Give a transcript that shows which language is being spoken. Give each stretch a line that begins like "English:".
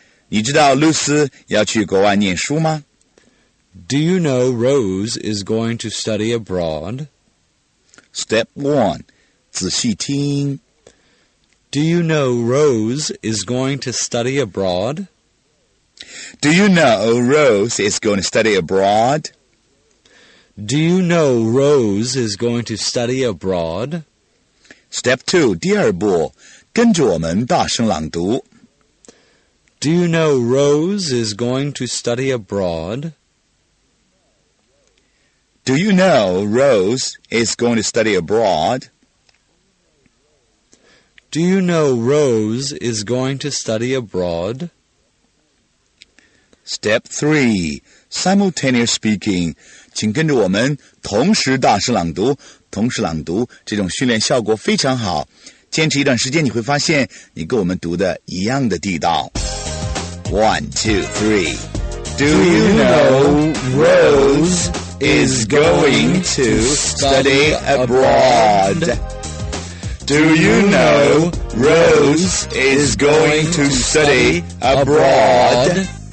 Chinese: 你知道露丝要去国外念书吗?
English: Do you know Rose is going to study abroad? Step 1.
Chinese: 仔细听。
English: Do you know Rose is going to study abroad? Do you know Rose is going to study abroad? Do you know Rose is going to study abroad? Step 2,
Chinese: 第二步,跟着我们大声朗读。
English: Do you know Rose is going to study abroad? Do you know Rose is going to study abroad? Do you know Rose is going to study abroad? Step 3, simultaneous speaking.
Chinese: 请跟着我们同时大声朗读。同时朗读这种训练效果非常好。坚持一段时间你会发现你跟我们读的一样的地道。
English: One, two, three. Do you know Rose is going to study abroad? Do you know Rose is going to study abroad?